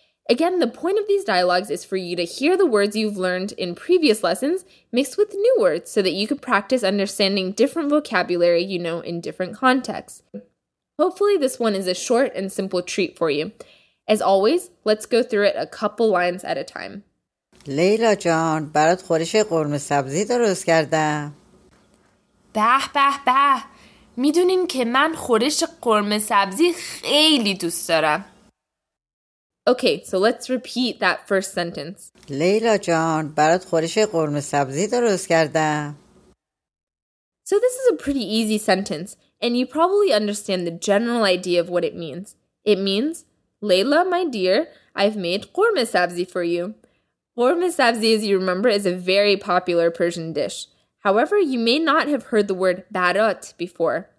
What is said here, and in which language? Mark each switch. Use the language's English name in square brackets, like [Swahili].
[English] Again, the point of these dialogues is for you to hear the words you've learned in previous lessons mixed with new words so that you can practice understanding different vocabulary you know in different contexts. Hopefully, this one is a short and simple treat for you. As always, let's go through it a couple lines at a time. [Persian] Leyla jaan, barat khoresh qorme sabzi darost kardam. به به به، میدونین که من خورش قرمه سبزی خیلی دوست دارم. [English] Okay, so let's repeat that first sentence. [Persian] لیلا جان، برات خورش قرمه سبزی درست کردم. [English] So this is a pretty easy sentence, and you probably understand the general idea of what it means. It means, Leyla, my dear, I've made قرمه سبزی for you. قرمه سبزی, as you remember, is a very popular Persian dish. However, you may not have heard the word barat before.